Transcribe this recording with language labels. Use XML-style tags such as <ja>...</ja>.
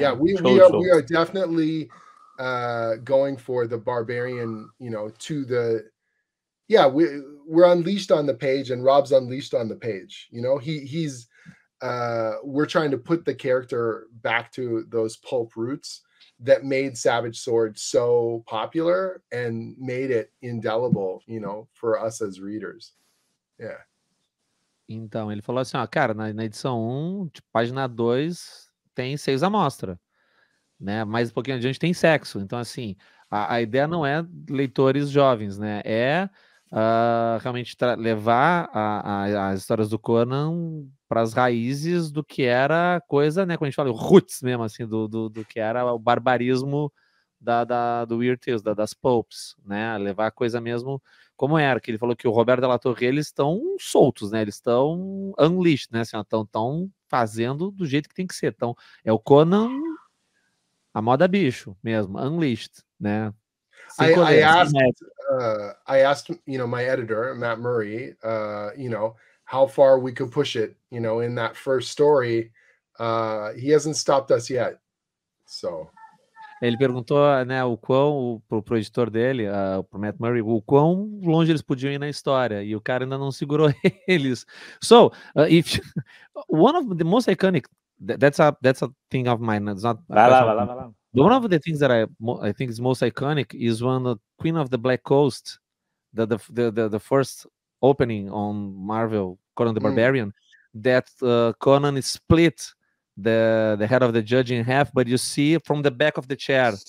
<en>Yeah, we are definitely going for the barbarian, you know, to the we're unleashed on the page, and Rob's unleashed on the page. You know, he's we're trying to put the character back to those pulp roots that made Savage Sword so popular and made it indelible, you know, for us as readers. Yeah.</en> <pt>Então, ele falou assim, ó, cara, na edição 1, tipo, página 2, tem 6 amostra, né? Mais um pouquinho adiante tem sexo. Então, assim, a ideia não é leitores jovens, né? É realmente levar as histórias do Conan para as raízes do que era coisa, né? Quando a gente fala roots mesmo, assim, do que era o barbarismo do Weird Tales, das pulps, né? Levar a coisa mesmo como era. Que ele falou que o Roberto DeLatorre, eles estão soltos, né? Eles estão unleashed, né? Assim, estão fazendo do jeito que tem que ser. Então, é o Conan, a moda bicho mesmo, unleashed, né?</pt> <en>I asked, you know, my editor, Matt Murray, you know, how far we could push it, you know, in that first story. He hasn't stopped us yet. So.</en> <pt>Ele perguntou, né, o quão, pro editor dele, pro Matt Murray, o quão longe eles podiam ir na história. E o cara ainda não segurou eles.</pt> <en>So, if you, one of the most iconic, that's a thing of mine. It's not,</en> <pt>vai lá.</pt> <en>One of the things that I think is most iconic is when the Queen of the Black Coast, the first opening on Marvel, Conan the Barbarian, that Conan split the head of the judge in half, but you see from the back of the chair.</en>